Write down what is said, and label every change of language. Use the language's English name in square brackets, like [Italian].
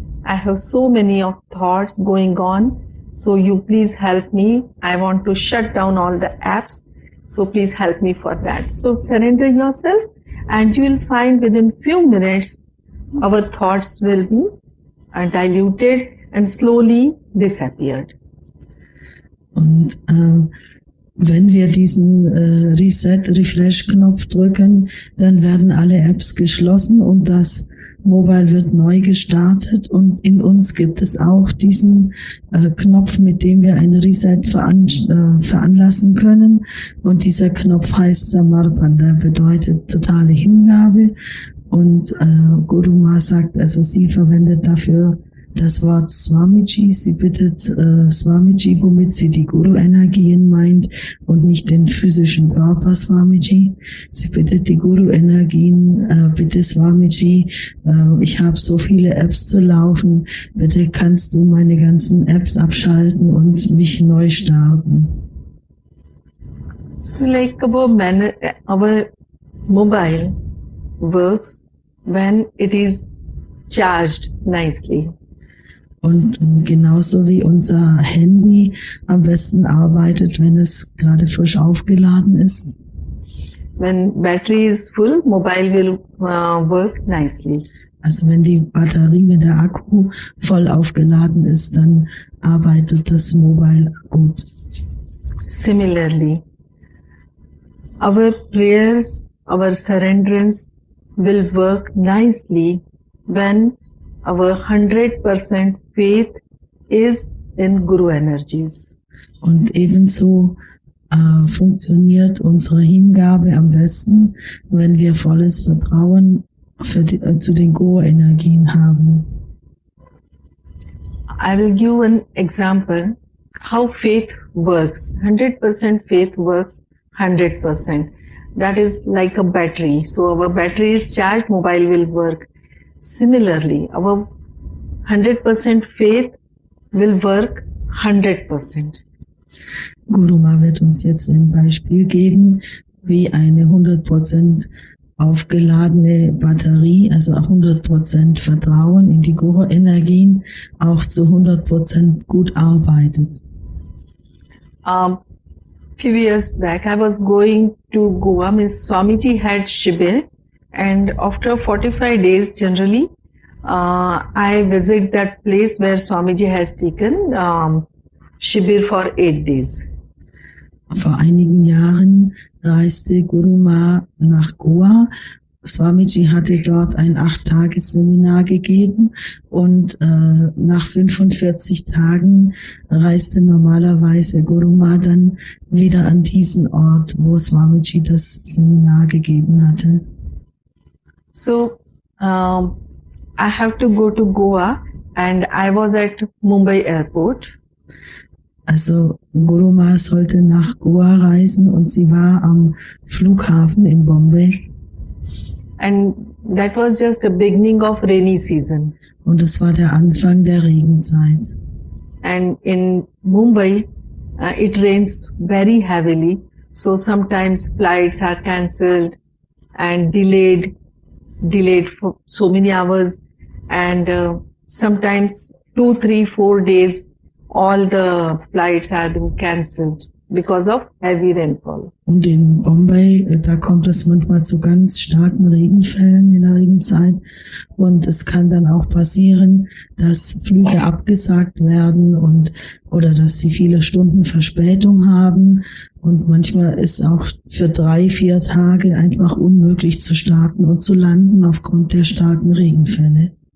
[English] I have so many of thoughts going on. So you please help me. I want to shut down all the apps. So please help me for that. So surrender yourself, and you will find within few minutes, our thoughts will be diluted and slowly disappeared. [German] Und wenn wir diesen Reset, Refresh-Knopf drücken, dann werden alle Apps geschlossen und das Mobile wird neu gestartet. Und in uns gibt es auch diesen Knopf, mit dem wir einen Reset veranlassen können. Und dieser Knopf heißt Samarpan, der bedeutet totale Hingabe. Und Guru Ma sagt, also sie verwendet dafür das Wort Swamiji, sie bittet Swamiji, womit sie die Guru-Energien meint und nicht den physischen Körper Swamiji. Sie bittet die Guru-Energien, bitte Swamiji, ich habe so viele Apps zu laufen, bitte kannst du meine ganzen Apps abschalten und mich neu starten. [English] So like our mobile works when it is charged nicely. [German] Und genauso wie unser Handy am besten arbeitet, wenn es gerade frisch aufgeladen ist. [English] When battery is full, mobile will work nicely. [German] Also wenn die Batterie, wenn der Akku voll aufgeladen ist, dann arbeitet das Mobile gut. [English] Similarly, our prayers, our surrenderance will work nicely when our 100% faith is in Guru energies. [German] Und ebenso funktioniert unsere Hingabe am besten, wenn wir volles Vertrauen zu den Guru Energien haben. [English] I will give an example how faith works. 100% faith works 100%. That is like a battery. So our battery is charged, mobile will work. Similarly, our 100% faith will work 100%. [German] Guru Ma wird uns jetzt ein Beispiel geben, wie eine 100% aufgeladene Batterie, also 100% Vertrauen in die Guru-Energien, auch zu 100% gut arbeitet. [English] Few years back, I was going to Goa. Means Swamiji had Shibir. And after 45 days, generally, I visit that place where Swamiji has taken Shibir for 8 days. [German] Vor einigen Jahren reiste Guru Ma nach Goa. Swamiji hatte dort ein 8-Tage-Seminar gegeben und nach 45 Tagen reiste normalerweise Guru Ma dann wieder an diesen Ort, wo Swamiji das Seminar gegeben hatte. [English] So, I have to go to Goa and I was at Mumbai Airport. [German] Also, Guru Ma sollte nach Goa reisen und sie war am Flughafen in Bombay. [English] And that was just the beginning of rainy season. [German] Und es war der Anfang der Regenzeit. [English] And in Mumbai, it rains very heavily. So sometimes flights are cancelled and delayed for so many hours. And sometimes 2, 3, 4 days, all the flights are cancelled. because of heavy rainfall. [German] Und in Bombay, da kommt es manchmal zu ganz starken Regenfällen in der Regenzeit. Und es kann dann auch passieren, dass Flüge abgesagt werden und oder dass sie viele Stunden Verspätung haben. Und manchmal ist auch für 3, 4 Tage einfach unmöglich zu starten und zu landen aufgrund der starken Regenfälle.